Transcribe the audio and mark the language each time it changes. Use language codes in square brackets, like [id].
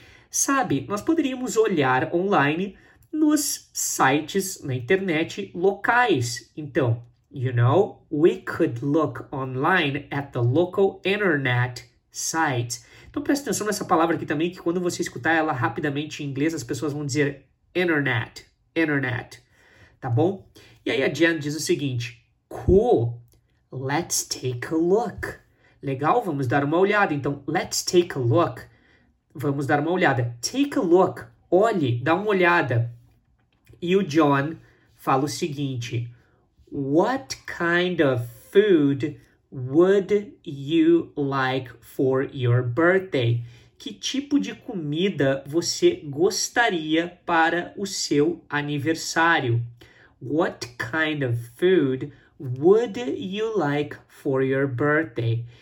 [pt] Sabe, nós poderíamos olhar online nos sites na internet locais. Então, [en] you know, we could look online at the local internet sites. [pt] Então, presta atenção nessa palavra aqui também, que quando você escutar ela rapidamente em inglês, as pessoas vão dizer internet, internet. Tá bom? E aí a Jan diz o seguinte, cool. [en] Let's take a look. [pt] Legal, vamos dar uma olhada. Então, [en] let's take a look. [pt] Vamos dar uma olhada. [en] Take a look. [pt] Olhe, dá uma olhada. E o John fala o seguinte. [en] What kind of food would you like for your birthday? [pt] Que tipo de comida você gostaria para o seu aniversário? [en] What kind of food would you like for your birthday?